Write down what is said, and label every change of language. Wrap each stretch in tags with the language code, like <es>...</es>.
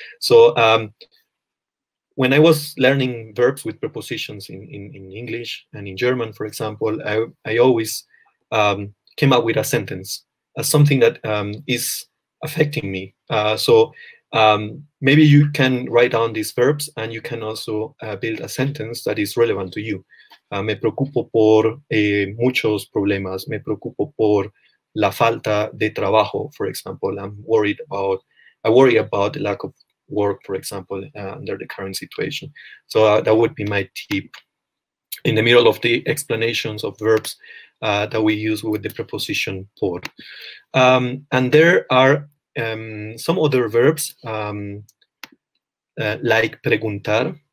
<en>So when I was learning verbs with prepositions in English and in German, for example, I always came up with a sentence. Something that is affecting me. Maybe you can write down these verbs and you can also build a sentence that is relevant to you.</en> <es>Me preocupo por muchos problemas. Me preocupo por la falta de trabajo,</es> <en>for example. I worry about the lack of work, for example, under the current situation. So that would be my tip. In the middle of the explanations of verbs, that we use with the preposition por. And there are some other verbs like preguntar.</en>